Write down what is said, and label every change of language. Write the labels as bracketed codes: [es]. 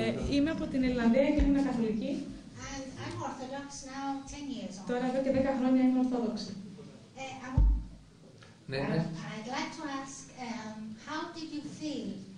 [el] Είμαι από την Ιρλανδία και είμαι καθολική. [en] I'm Orthodox now 10 years old. [el] Τώρα εδώ και 10 χρόνια είμαι Ορθόδοξη. Ναι. [en] I'd like to ask, how did you feel?